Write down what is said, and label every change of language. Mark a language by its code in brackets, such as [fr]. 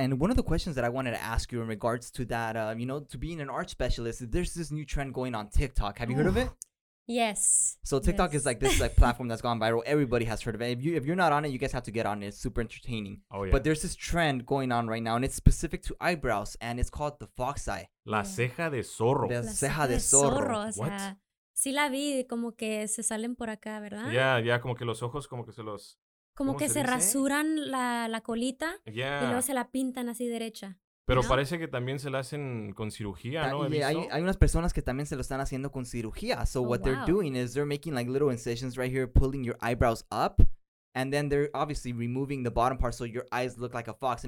[en] And one of the questions that I wanted to ask you in regards to that, you know, to being an art specialist, there's this new trend going on TikTok. Have you heard of it? Yes. So TikTok is like this like platform that's gone viral. Everybody has heard of it. If you're not on it, you guys have to get on it. It's super entertaining. Oh, yeah. But there's this trend going on right now, and it's specific to eyebrows, and it's called the fox eye. [es] La ceja de zorro. La ceja de zorro. [en] What? [es] Sí la vi, como que se salen por acá, ¿verdad? Yeah, como que los ojos como que se los... Como que se rasuran la colita y luego se la pintan así derecha. Pero parece que también se la hacen con cirugía, ¿no? Hay unas personas que también se lo están haciendo con cirugía. [en] So what they're doing is they're making like little incisions right here, pulling your eyebrows up. And then they're obviously removing the bottom part so your eyes look like a fox.